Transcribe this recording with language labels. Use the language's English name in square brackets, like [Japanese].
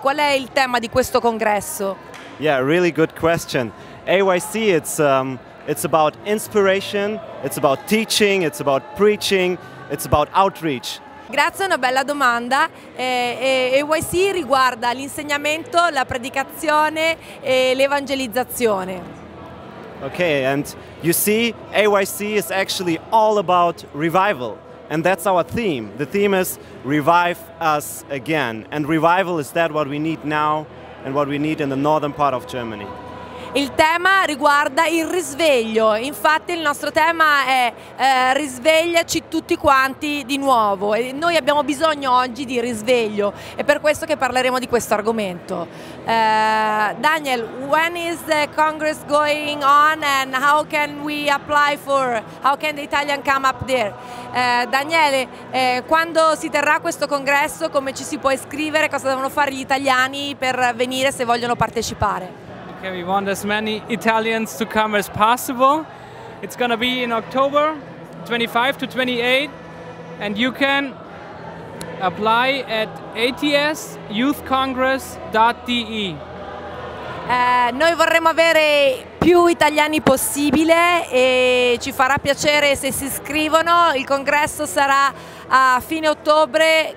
[Italian] Qual è il tema di questo congresso? [English] Yeah, really good question. AYC, it's about inspiration, it's about teaching, it's about preaching, it's about outreach. [Italian] Grazie, una bella domanda. AYC riguarda l'insegnamento, la predicazione e l'evangelizzazione. [English] Okay, and you see, AYC is actually all about revival. And that's our theme. The theme is revive us again. And revival is that what we need now and what we need in the northern part of Germany. [Italian] Il tema riguarda il risveglio, infatti il nostro tema è risvegliaci tutti quanti di nuovo e noi abbiamo bisogno oggi di risveglio, è per questo che parleremo di questo argomento. [English] Daniel, when is the Congress going on and how can we apply for, how can the Italian come up there? [Italian] Daniele, quando si terrà questo congresso, come ci si può iscrivere, cosa devono fare gli italiani per venire se vogliono partecipare? [English] We want as many Italians to come as possible. It's going to be in October 25 to 28 and you can apply at atsyouthcongress.de. [Italian] Noi vorremmo avere più italiani possibile e ci farà piacere se si iscrivono. Il congresso sarà a fine ottobre.